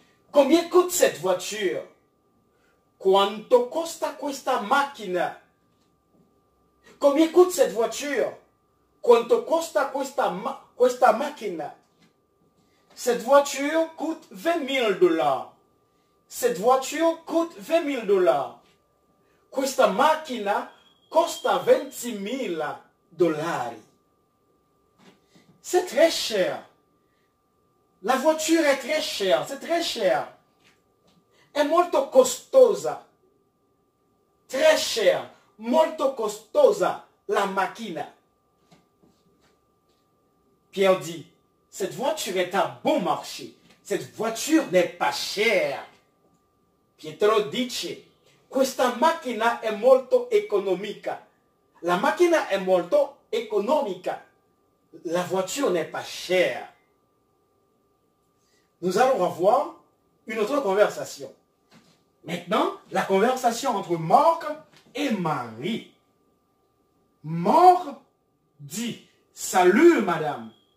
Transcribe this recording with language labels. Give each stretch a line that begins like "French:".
French: Combien coûte cette voiture?
Italian: Quanto costa questa macchina?
French: Combien coûte cette voiture?
Italian: Quanto costa questa macchina?
French: Cette voiture coûte 20 000 dollars. Cette voiture coûte 20 000 dollars.
Italian: Questa macchina costa 20.000 dollari.
French: C'est très cher. La voiture est très chère. C'est très cher.
Italian: È molto costosa.
French: Très cher.
Italian: Molto costosa. La macchina.
French: Pierre dit, cette voiture est à bon marché. Cette voiture n'est pas chère.
Italian: Pietro dice, questa macchina è molto economica. La macchina è molto economica.
French: La voiture n'est pas chère. Nous allons avoir une autre conversation. Maintenant, la conversation entre Marc et Marie. Marc dit, salut madame.